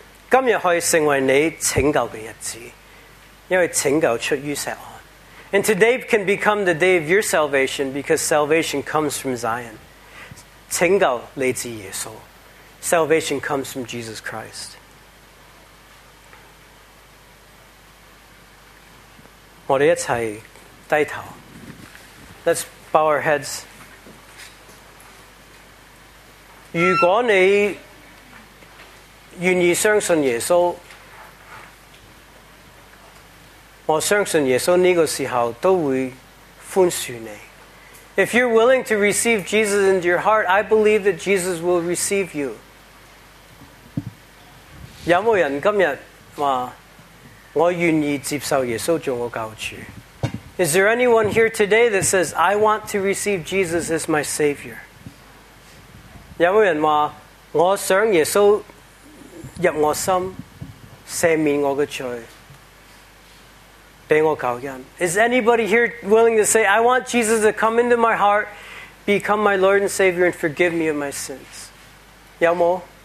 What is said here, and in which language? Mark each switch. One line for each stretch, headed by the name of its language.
Chinese: 今天可以成为你拯救的日子，因为拯救出于锡安。
English: And today can become the day of your salvation, because salvation comes from Zion.
Chinese: 拯救来自耶稣，
English: salvation comes from Jesus Christ.
Chinese: 我们一起低头。
English: Let's bow our heads.
Chinese: 如果你愿意相信耶稣，我相信耶稣这个时候都会宽恕你。
English: If you're willing to receive Jesus into your heart, I believe that Jesus will receive you.
Chinese: 有没有人今天说我愿意接受耶稣做我教主？
English: Is there anyone here today that says, I want to receive Jesus as my Savior?
Chinese: 有没有人说我想耶稣入我心，赦免我的罪，给我救恩？
English: Is anybody here willing to say, I want Jesus to come into my heart, become my Lord and Savior, and forgive me of my sins?
Chinese: 有没有？